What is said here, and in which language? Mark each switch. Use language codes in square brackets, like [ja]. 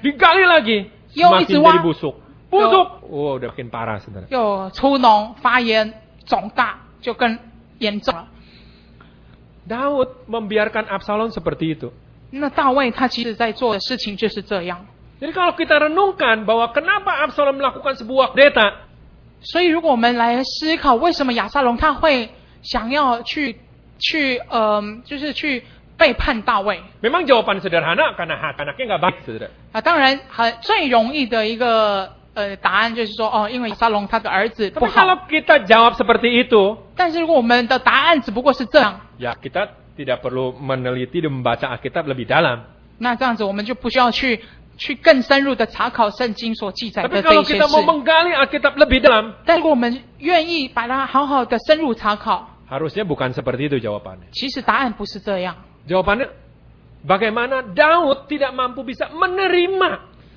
[id] Digali lagi. [zh] 又一直挖。 [id] Semakin jadi busuk. Busuk, oh, dah makin parah sebenarnya. [zh] 又粗脓、发炎、肿大，就更严重了。 [id] Daud membiarkan Absalom seperti itu. [zh] 那大卫他其实在做的事情就是这样。 [id] Jadi kalau kita renungkan bahwa kenapa Absalom melakukan sebuah kudeta. [zh] 所以如果我们来思考为什么亚撒龙他会想要就是去背叛大卫。 [id] Memang jawaban sederhana, karena anaknya enggak baik, saudara. [zh] 啊，当然，最容易的一个答案就是说，哦，因为亚撒龙他的儿子不好。 [id] Kalau kita jawab seperti itu, [zh] 但是如果我们的答案只不过是这样， [id] ya kita tidak perlu meneliti dan membaca Alkitab lebih dalam. [zh] 那这样子我们就不需要去更深入的查考圣经所记载的这些事。 [id] Tapi kalau kita mau menggali Alkitab lebih dalam, [zh] 但如果我们愿意把它好好的深入查考， [id] harusnya bukan seperti itu jawabannya. [zh] 其实答案不是这样。 [id] Jawabannya, bagaimana Daud tidak mampu bisa menerima?